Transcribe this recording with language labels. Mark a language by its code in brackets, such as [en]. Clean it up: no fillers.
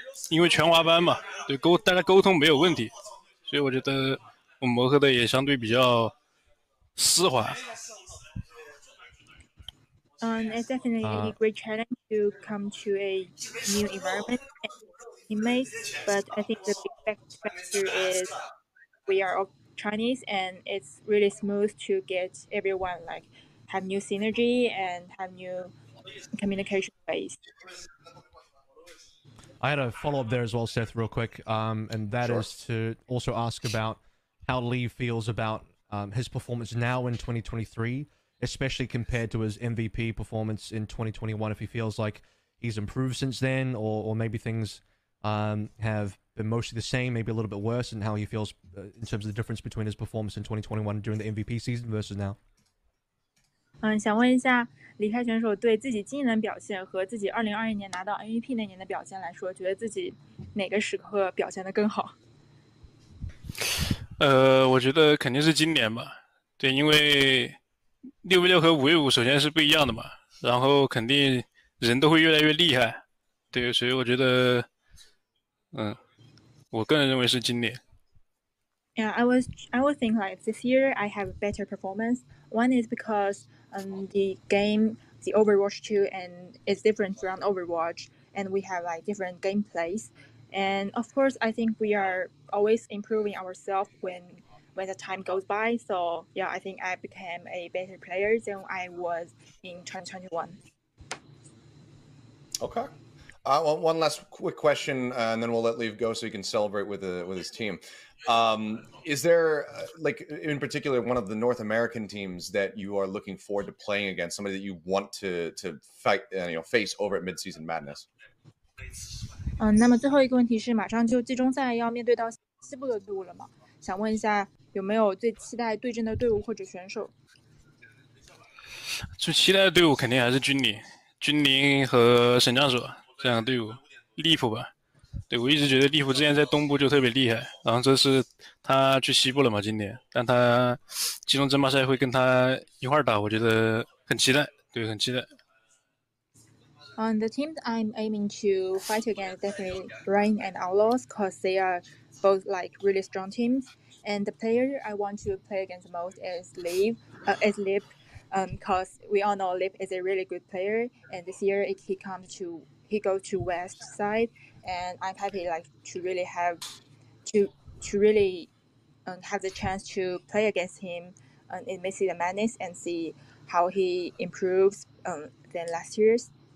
[zh] 因为全华班嘛，对沟大家沟通没有问题，所以我觉得我磨合的也相对比较丝滑。 [en] It's definitely a great challenge to come to a new environment and teammates, but I think the big factor is we are all Chinese and it's really smooth to get everyone like have new synergy and have new communication ways. I had a follow up there as well, Seth, real quick, and that is to also ask about how Lee feels about his performance now in 2023. Especially compared to his MVP performance in 2021, if he feels like he's improved since then, or maybe things have been mostly the same, maybe a little bit worse, and how he feels in terms of the difference between his performance in 2021 during the MVP season versus now. [zh] 想问一下李开选手对自己今年表现和自己2021年拿到 MVP 那年的表现来说，觉得自己哪个时刻表现得更好？我觉得肯定是今年吧。对，因为6v6和5v5首先是不一样的嘛，然后肯定人都会越来越厉害，对，所以我觉得我个人认为是今年。 [en] Yeah, I would think like this year I have a better performance. One is because the game, the Overwatch 2 and is different from Overwatch and we have like different gameplays. And of course I think we are always improving ourselves when the time goes by, so yeah, I think I became a better player than I was in 2021. Okay. One last quick question, and then we'll let Leave go so he can celebrate with his team. Is there, like, in particular, one of the North American teams that you are looking forward to playing against, somebody that you want to fight, you know, face over at Midseason Madness? [zh] 那么最后一个问题是，马上就季中赛要面对到西部的队伍了吗？想问一下有没有最期待对阵的队伍或者选手？最期待的队伍肯定还是君临和神将所这样的队伍，利普吧。对，我一直觉得利普之前在东部就特别厉害，然后这是他去西部了嘛，今年，但他季中争霸赛会跟他一块打，我觉得很期待，对，很期待。 [en] The team I'm aiming to fight against definitely Rain and Outlaws because they are both like really strong teams. And the player I want to play against most is Lip, because we all know Lip is a really good player. And this year he goes to West side, and I'm happy like to really have the chance to play against him in Midseason Madness and see how he improves than last year's.